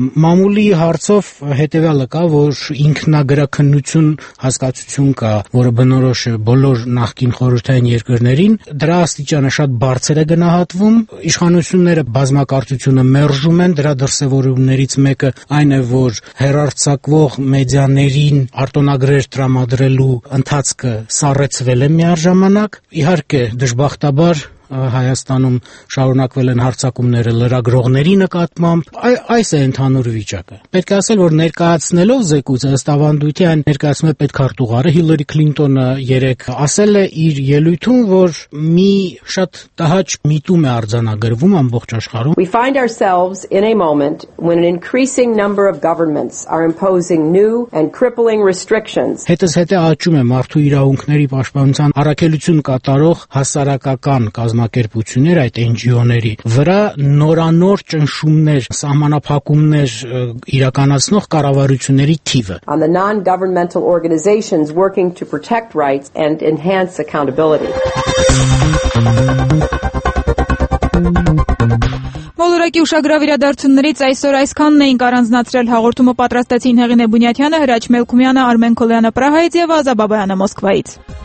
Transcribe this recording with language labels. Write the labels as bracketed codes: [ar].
[hy] Մամուլի հարցով հետեւյալը կա, որ ինքնագրաքննություն հասկացություն կա, որը բնորոշ է բոլոր նախկին խորհրդային երկրներին, դրա աստիճանը շատ բարձր է գնահատվում։ Իշխանությունները բազմակարծությունը մերժում են, դրա դրսևորումներից մեկը այն է, որ հերարցակվող մեդիաներին արտոնագրեր տրամադրելու ընթացքը սառեցվել է միաժամանակ։ Իհարկե, դժբախտաբար Հայաստանում շարունակվել են հարցակումները լրագրողների նկատմամբ, այս է ընդհանուր վիճակը։ Պետք է ասել, որ ներկայացնելով զեկույցը ըստ ավանդույթի այն ներկայացում է պետքարտուղարը Հիլլարի Քլինտոնը 3, ասել է իր ելույթում, որ մի շատ տհաճ միտում է արձանագրվում ամբողջ աշխարհում. [en] We find ourselves in a moment when an increasing number of governments are imposing new and crippling restrictions. [hy] Հետս հետե աճում է մարդու իրավունքների պաշտպանության առաքելություն կատարող հասարակական կազմակերպություններ, այդ NGO-ների վրա նորանոր ճնշումներ, սահմանափակումներ իրականացնող կառավարությունների թիվը. [en] On the non-governmental organizations working to protect rights and enhance accountability. [hy] Մոլորակի ուշագրավ իրադարձություններից այսօր այսքանն էինք առանձնացրել, հաղորդումը պատրաստեցին Հեղինե Բունյատյանը, Հրաչ Մելքումյանը, Արմեն Քոլյանը Պրահայից և Ազա Բաբայանը Մոսկվայից։